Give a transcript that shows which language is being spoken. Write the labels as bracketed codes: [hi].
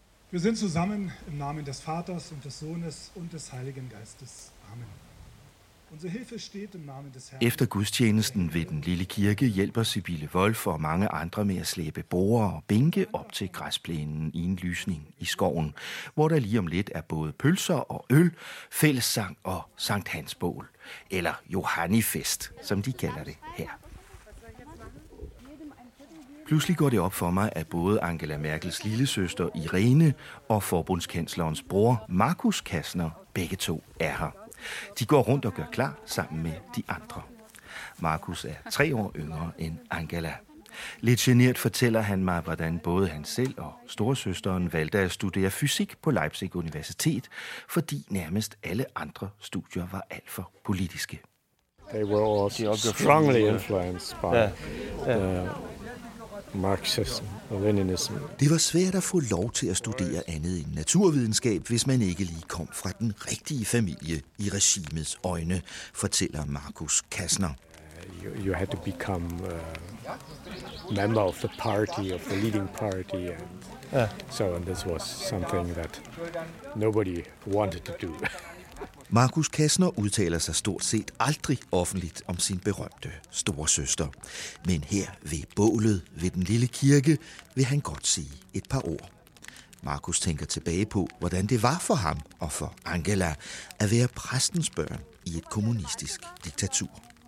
[de] Wir sind zusammen im Namen des Vaters und des Sohnes und des Heiligen Geistes. Amen. Unsere Hilfe steht im Namen des Herrn. [da] Efter gudstjenesten ved den lille kirke hjælper Sibylle Wolf og mange andre med at slæbe borde og bænke op til græsplænen i en lysning i skoven, hvor der lige om lidt er både pølser og øl, fællessang og Sankt Hans bål. Eller Johannifest, som de kalder det her. Pludselig går det op for mig, at både Angela Merkels lillesøster Irene og forbundskanslerens bror Markus Kastner begge to er her. De går rundt og gør klar sammen med de andre. Markus er 3 år yngre end Angela. Lidt genert fortæller han mig, hvordan både han selv og storesøsteren valgte at studere fysik på Leipzig Universitet, fordi nærmest alle andre studier var alt for politiske. [en] They were all strongly influenced by Marxism and Leninism. [da] Det var svært at få lov til at studere andet end naturvidenskab, hvis man ikke lige kom fra den rigtige familie i regimets øjne, fortæller Markus Kastner. [en] You had to become member of the party, of the leading party, and so and this was something that nobody wanted to do. [da] Markus Kastner udtaler sig stort set aldrig offentligt om sin berømte storesøster, men her ved bålet ved den lille kirke vil han godt sige et par ord. Markus tænker tilbage på, hvordan det var for ham og for Angela at være præstens børn i et kommunistisk diktatur.